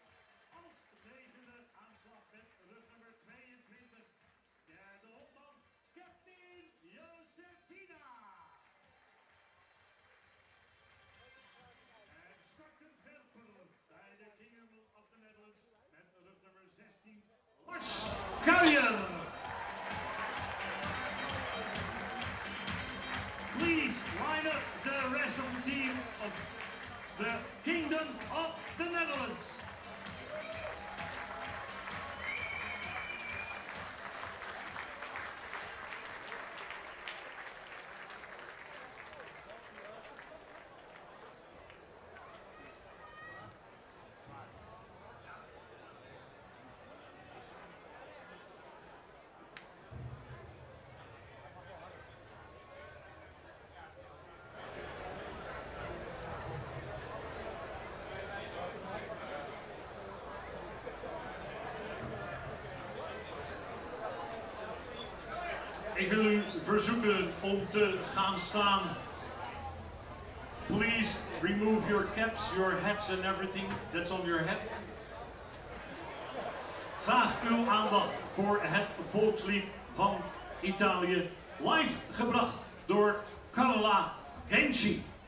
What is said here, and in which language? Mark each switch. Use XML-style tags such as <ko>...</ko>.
<nl>Met rug nummer 22, derde honkman, Kevin Josefina. En starten Verpel bij de Kingdom of the Netherlands met rug nummer 16, Lars Kuijer.</nl> <en>Please line up the rest of the team of the Kingdom of the Netherlands.</en> <nl>Ik wil u verzoeken om te gaan staan.</nl> <en>Please remove your caps, your hats and everything that's on your head.</en> <nl>Graag uw aandacht voor het volkslied van Italië. Live gebracht door Carla Genchi.</nl>